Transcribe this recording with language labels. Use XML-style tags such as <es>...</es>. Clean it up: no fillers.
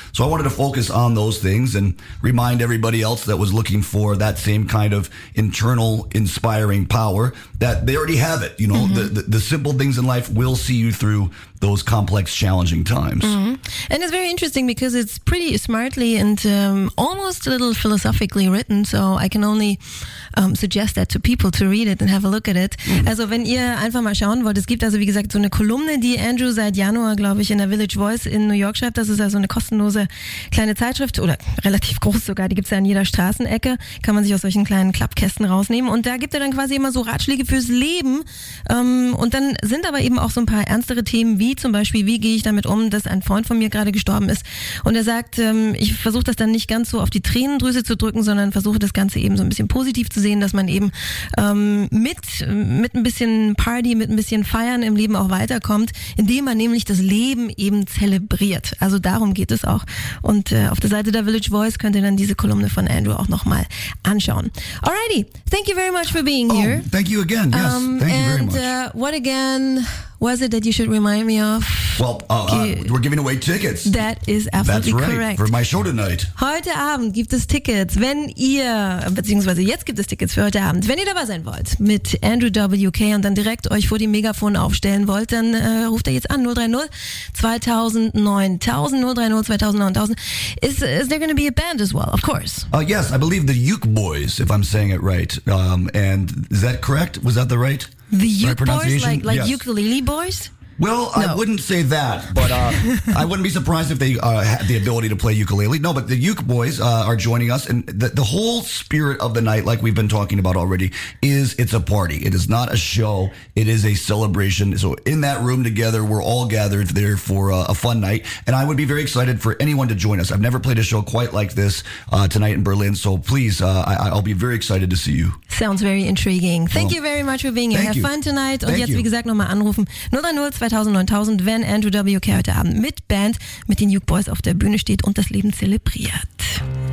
<en>So I wanted to focus on those things and remind everybody else that was looking for that same kind of internal inspiring power that they already have it. You know, the simple things in life will see you through those complex, challenging times. And it's very interesting because it's pretty smartly and almost a little philosophically written. So I can only suggest that to people to read it and have a look at it.</en> <de>Also wenn ihr einfach mal schauen wollt, es gibt also wie gesagt so eine Kolumne, die Andrew seit Januar, glaube ich, in der Village Voice in New York schreibt. Das ist also eine kostenlose kleine Zeitschrift oder relativ groß sogar. Die gibt es ja an jeder Straßenecke. Kann man sich aus solchen kleinen Klappkästen rausnehmen. Und da gibt er dann quasi immer so Ratschläge fürs Leben. Und dann sind aber eben auch so ein paar ernstere Themen, wie zum Beispiel, wie gehe ich damit um, dass ein Freund von mir gerade gestorben ist. Und er sagt, ich versuche das dann nicht ganz so auf die Tränendrüse zu drücken, sondern versuche das Ganze eben so ein bisschen positiv zu sehen, dass man eben mit ein bisschen Party, mit ein bisschen Feiern im Leben auch weiterkommt, indem man nämlich das Leben eben zelebriert. Also darum geht es auch. Und auf der Seite der Village Voice könnt ihr dann diese Kolumne von Andrew auch nochmal anschauen.</de> <en>Alrighty, thank you very much for being here. Oh, thank you again, yes. Thank you very much. What again was it that you should remind me of? Well, we're giving away tickets. That is absolutely correct. That's right, for my show tonight.</en> <de>Heute Abend gibt es Tickets, wenn ihr, beziehungsweise jetzt gibt es Tickets für heute Abend, wenn ihr dabei sein wollt mit Andrew WK und dann direkt euch vor die Megafon aufstellen wollt, dann ruft er jetzt an, 030-2000-9000.</de> <en>Is there going to be a band as well? Of course. Yes, I believe the Uke Boys, if I'm saying it right. And is that correct? Was that the right? The Uke Boys? Like yes. Ukulele Boys? Well, no. I wouldn't say that, but I wouldn't be surprised if they had the ability to play ukulele. No, but the Uke Boys are joining us, and the whole spirit of the night, like we've been talking about already, is it's a party. It is not a show. It is a celebration. So in that room together, we're all gathered there for a fun night, and I would be very excited for anyone to join us. I've never played a show quite like this tonight in Berlin, so please, I'll be very excited to see you. Sounds very intriguing. Thank you very much for being here. Have fun tonight. Thank</en> <de>und jetzt,</de> <en>you.</en> <de>Wie gesagt, nochmal anrufen. 030-2000-9000, wenn Andrew WK heute Abend mit Band, mit den Uke Boys auf der Bühne steht und das Leben zelebriert.</de>